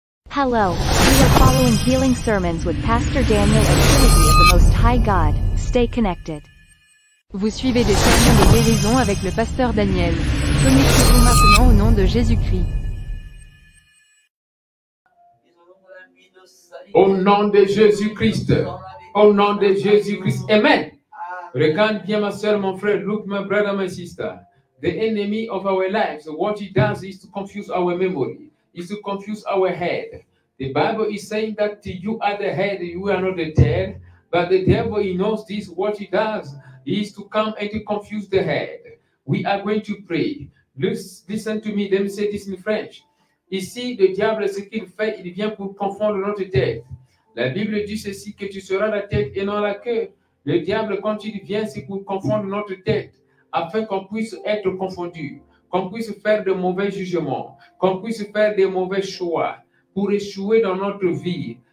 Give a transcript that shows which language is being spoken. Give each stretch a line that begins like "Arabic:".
English: Hello, we are following healing sermons with Pastor Daniel and Trinity of the Most High God. Stay connected.
French: Vous suivez des sermons de guérison avec le Pasteur Daniel. Connectez-vous maintenant au nom de Jésus-Christ. Au nom de Jésus-Christ. Au nom de Jésus-Christ. Amen. Regarde bien ma soeur, mon frère.
English: Look, my brother, my sister. The enemy of our lives, what he does is to confuse our memory, is to confuse our head. The Bible is saying that you are the head, you are not the tail. But the devil, he knows this, what he does is to come and to confuse the head. We are going to pray. Listen to me, let me say this in French.
French: Ici, le diable, ce qu'il fait, il vient pour confondre notre tête. La Bible dit ceci, que tu seras la tête et non la queue. Le diable, quand il vient, c'est pour confondre notre tête, afin qu'on puisse être confondu, qu'on puisse faire de mauvais jugements, qu'on puisse faire de mauvais choix pour échouer dans notre vie.